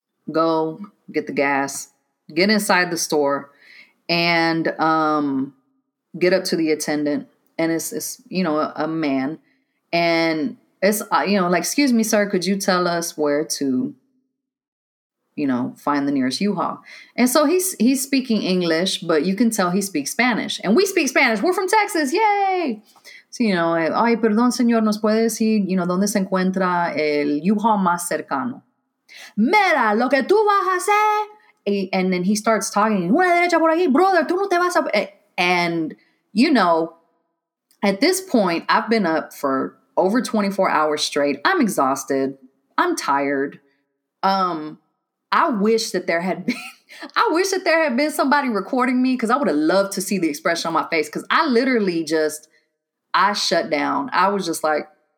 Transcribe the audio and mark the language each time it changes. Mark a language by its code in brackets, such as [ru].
[en] Go get the gas, get inside the store, and get up to the attendant. And it's you know, a man. And it's, you know, like, excuse me, sir, could you tell us where to, you know, find the nearest U-Haul? And so he's speaking English, but you can tell he speaks Spanish. And we speak Spanish. We're from Texas. Yay! So, you know, [es] ay, perdón, señor, ¿nos puede decir, [en] you know, [es] dónde se encuentra el U-Haul más cercano? Mira lo que tú vas a hacer. [en] And then he starts talking. [es] Una derecha por aquí, brother, tú no te vas a... [en] And, you know, at this point, I've been up for over 24 hours straight. I'm exhausted. I'm tired. I wish that there had been somebody recording me, because I would have loved to see the expression on my face, because I literally just, I shut down. I was just like...